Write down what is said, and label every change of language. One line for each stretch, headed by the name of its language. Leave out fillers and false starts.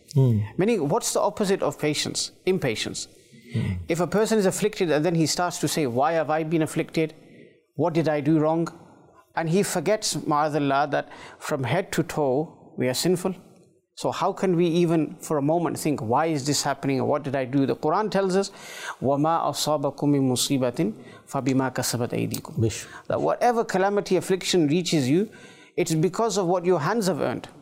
English: Meaning, what's the opposite of patience? Impatience. If a person is afflicted and then he starts to say, why have I been afflicted? What did I do wrong? And he forgets, ma'azallah, that from head to toe, we are sinful. So how can we even for a moment think, why is this happening? What did I do? The Quran tells us,
Arabic: وَمَا أَصَابَكُمْ مِنْ مُصِيبَةٍ فَبِمَا كَسَبَتْ أَيْدِيكُمْ.
English: That whatever calamity, affliction reaches you, it's because of what your hands have earned.